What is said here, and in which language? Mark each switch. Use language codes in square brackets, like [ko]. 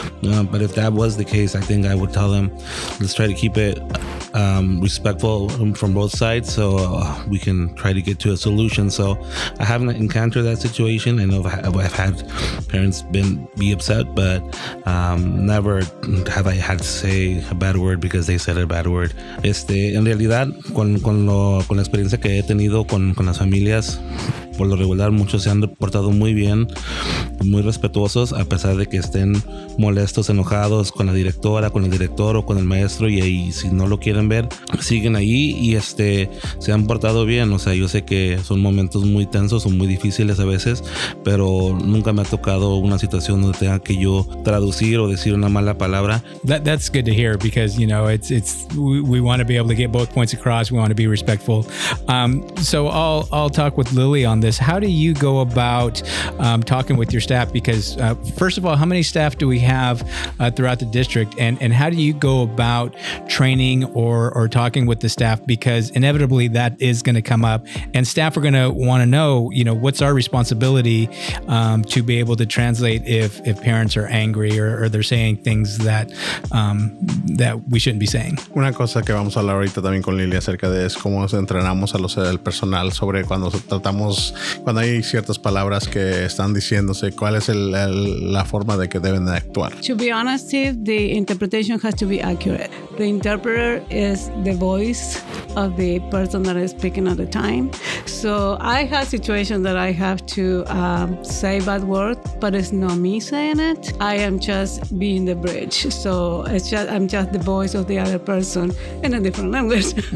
[en] But if that was the case, I think I would tell them, let's try to keep it respectful from both sides, so we can try to get to a solution. So I haven't encountered that situation. I know I've had parents be upset, but never have I had to say a bad word because they said a bad word. [es] En realidad, con la experiencia que he tenido con las familias, por lo regular, muchos se han portado muy bien, muy respetuosos, a pesar de que estén molestos, enojados con la directora, con el director o con el maestro, y ahí, si no lo quieren ver, siguen ahí y se han portado bien. O sea, yo sé que son momentos muy tensos o muy difíciles a veces, pero nunca me ha tocado una situación donde tenga que yo traducir o decir una mala palabra. [en] That's good to hear, because, you know, we want to be able to get both points across. We want to be respectful. So I'll talk with Lily on this. How do you go about talking with your staff? Because first of all, how many staff do we have throughout the district, and how do you go about training or talking with the staff? Because inevitably that is going to come up, and staff are going to want to know, you know, what's our responsibility to be able to translate if parents are angry or they're saying things that that we shouldn't be saying. [es] Una cosa que vamos a hablar ahorita también con Lily acerca de es cómo entrenamos a los el personal sobre cuando tratamos, cuando hay ciertas palabras que están diciéndose, cuál es la forma de que deben de actuar. [en] To be honest, Steve, the interpretation has to be accurate. The interpreter is the voice of the person that is speaking at the time. So I have situations that I have to say bad words, but it's not me saying it. I am just being the bridge. So I'm just the voice of the other person in a different language.